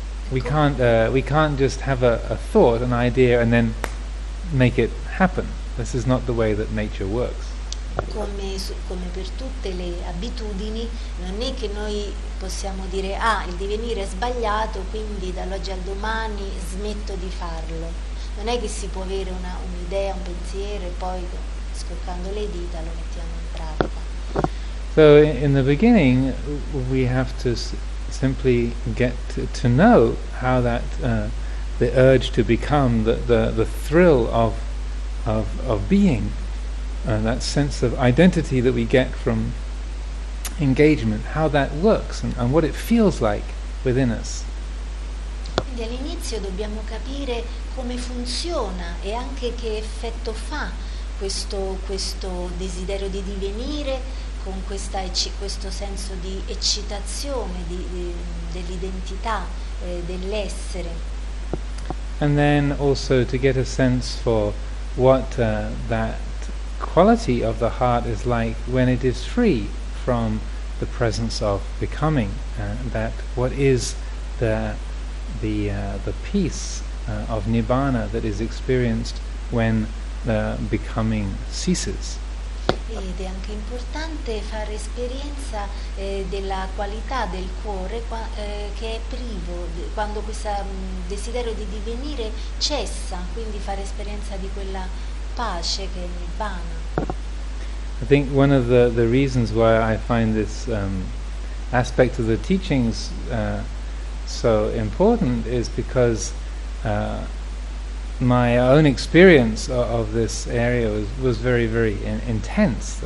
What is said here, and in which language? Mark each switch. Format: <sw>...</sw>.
<en>We can't just have a thought, an idea, and then make it happen. This is not the way that nature works.</en> <it>Come per tutte le abitudini, non è che noi possiamo dire: "Ah, il divenire è sbagliato, quindi dall'oggi al domani smetto di farlo." Non è che si può avere un'idea, un pensiero, e poi scoccando le dita lo mettiamo in pratica.</it> <en>So in the beginning we have to simply get to know how that the urge to become, the thrill of being, and that sense of identity that we get from engagement, how that works and what it feels like within us.</en> <it>Quindi all'inizio dobbiamo capire come funziona e anche che effetto fa questo desiderio di divenire, con questo senso di eccitazione dell'identità, dell'essere.</it> <en>And then also to get a sense for what that quality of the heart is like when it is free from the presence of becoming, that what is the peace of nirvana that is experienced when the becoming ceases.</en> <it>Ed è anche importante fare esperienza della qualità del cuore che è privo, quando questo desiderio di divenire cessa, quindi fare esperienza di quella pace che è nirvana.</it> <en>I think one of the reasons why I find this aspect of the teachings so important is because my own experience of this area was very, very intense.</en>